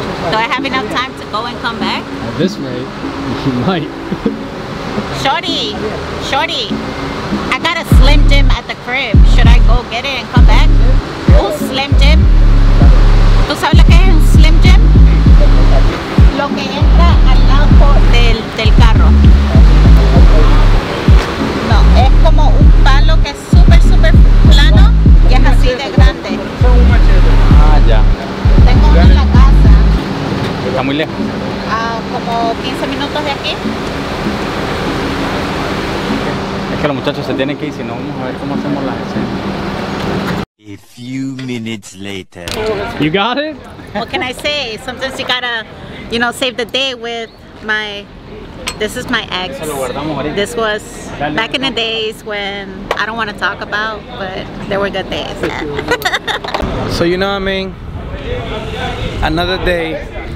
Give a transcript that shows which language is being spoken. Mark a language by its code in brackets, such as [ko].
[en] Do I have enough time to go and come back? At this rate, you might. Shorty, I got a slim dim at the crib. Should I go get it and come back? Oh, slim dim. [es] ¿Tú sabes lo que es un slim dim? Lo que entra al lado del carro. No, es como un palo que es super, super plano. Es así de grande. Ah, ya. Tengo uno en la casa. Está muy lejos. Como 15 minutos de aquí. Es que los muchachos se tienen que ir, si no vamos a ver cómo hacemos las escenas. [en] A few minutes later. You got it? What can I say? Sometimes you gotta, you know, save the day with my... This is my ex. This was back in the days when I don't want to talk about, but there were good days. So you know what I mean? Another day.